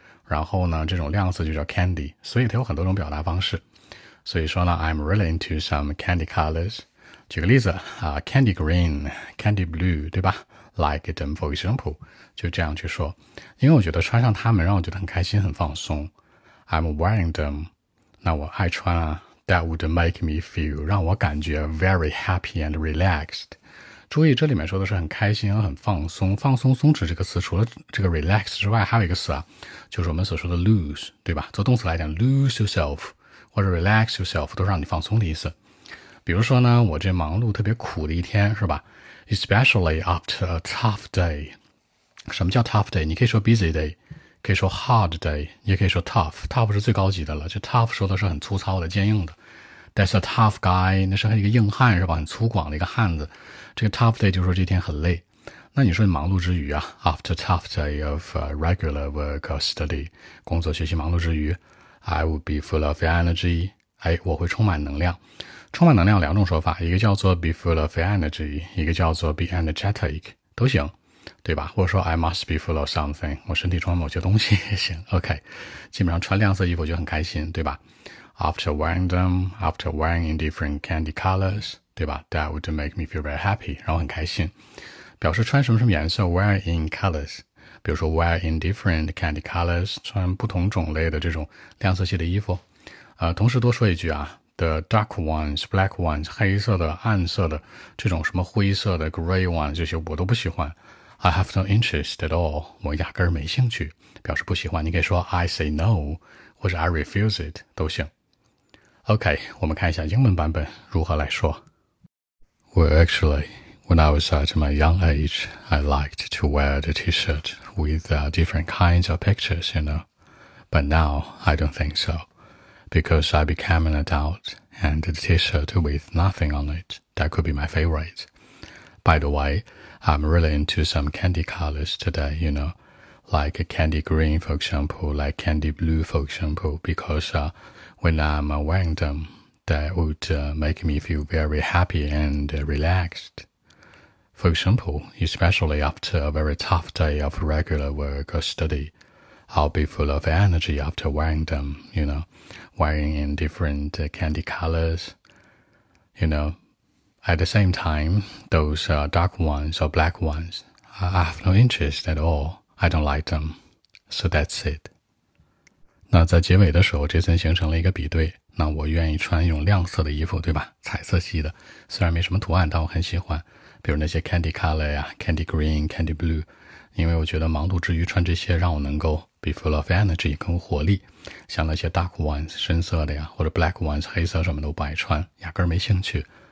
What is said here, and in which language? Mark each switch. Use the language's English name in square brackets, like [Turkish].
[Chinese] 然后呢这种亮色就叫 candy， 所以它有很多种表达方式。所以说呢 [English] I'm really into some candy colors。 [Chinese] 举个例子、 [English] candy green， candy blue， [Chinese] 对吧？ [English] Like them for example， [Chinese] 就这样去说。因为我觉得穿上它们让我觉得很开心很放松。 [English] I'm wearing them， [Chinese] 那我爱穿啊。 [English] That would make me feel， [Chinese] 让我感觉 [English] very happy and relaxed。 [Chinese] 注意这里面说的是很开心很放松，放松松弛这个词除了这个 relax 之外还有一个词啊，就是我们所说的 lose， 对吧？做动词来讲 [English] lose yourself [Chinese] 或者 [English] relax yourself [Chinese] 都是让你放松的意思。比如说呢我这忙碌特别苦的一天，是吧？ [English] Especially after a tough day。 [Chinese] 什么叫 [English] tough day？ [Chinese] 你可以说 [English] busy day， [Chinese] 可以说 [English] hard day， [Chinese] 也可以说 [English] tough。 [Chinese] tough 是最高级的了，这 tough 说的是很粗糙的坚硬的。 [English] That's a tough guy， [Chinese] 那是一个硬汉，是吧？很粗犷的一个汉子。这个 tough day 就是说这天很累。那你说你忙碌之余啊， [English] After tough day of regular work or study， [Chinese] 工作学习忙碌之余， [English] I would be full of energy， [Chinese] 哎，我会充满能量。充满能量两种说法，一个叫做 [English] be full of energy， [Chinese] 一个叫做 [English] be energetic， [Chinese] 都行，对吧？或者说 [English] I must be full of something， [Chinese] 我身体充满某些东西也行。 OK， 基本上穿亮色衣服就很开心，对吧？ [English] After wearing them, after wearing in different candy colors， [Chinese] 对吧？ [English] That would make me feel very happy， [Chinese] 然后很开心。表示穿什么什么颜色， [English] wear in colors， [Chinese] 比如说 [English] wear in different candy colors， [Chinese] 穿不同种类的这种亮色系的衣服。同时多说一句啊， [English] the dark ones, black ones， [Chinese] 黑色的、暗色的，这种什么灰色的 [English] gray ones， [Chinese] 这些我都不喜欢。 [English] I have no interest at all， [Chinese] 我压根儿没兴趣，表示不喜欢。你可以说 [English] I say no， [Chinese] 或者 [English] I refuse it， [Chinese] 都行。 OK， 我们看一下英文版本如何来说。 [English] Well, actually, when I was at my young age, I liked to wear the t-shirt with different kinds of pictures, you know. But now, I don't think so. Because I became an adult, and the t-shirt with nothing on it, that could be my favorite. By the way, I'm really into some candy colors today, you know. Like candy green, for example, like candy blue, for example, because... When I'm wearing them, that would make me feel very happy and relaxed. For example, especially after a very tough day of regular work or study, I'll be full of energy after wearing them, you know, wearing in different candy colors. You know, at the same time, those dark ones or black ones, I have no interest at all. I don't like them. So that's it. [Chinese] 那在结尾的时候 Jason 形成了一个比对，那我愿意穿一种亮色的衣服，对吧？彩色系的，虽然没什么图案，但我很喜欢，比如那些 candy color 呀， [English] candy green, candy blue, [Chinese] 因为我觉得忙碌之余穿这些让我能够 [English] be full of energy, [Chinese] 更活力，像那些 [English] dark ones, [Chinese] 深色的呀，或者 [English] black ones, [Chinese] 黑色什么都不爱穿，压根没兴趣。